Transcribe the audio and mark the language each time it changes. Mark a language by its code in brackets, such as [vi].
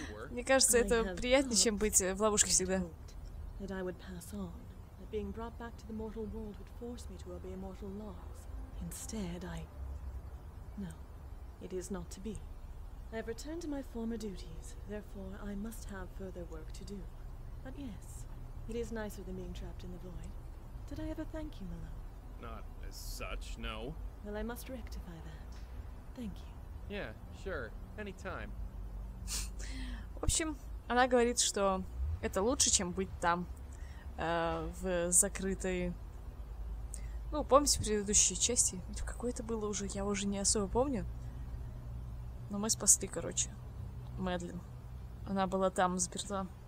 [ru] Мне кажется, это приятнее, чем быть в ловушке всегда. [en] That I would pass on, that being brought back to the mortal world would force me to obey mortal laws. Instead, I... No, it is not to be. I have returned to my former duties, therefore I must have further work to do. But yes, it is nicer than being trapped in the void. Did I ever thank you, Malone? Not as such, no. Well, I must rectify that. Thank you. Yeah, sure. Anytime. [ru] В общем, она говорит, что это лучше, чем быть там, в закрытой... Ну, помните предыдущие части? В какой это было уже, я уже не особо помню. Но мы спасли, короче, Мэдлин. Она была там, заперта.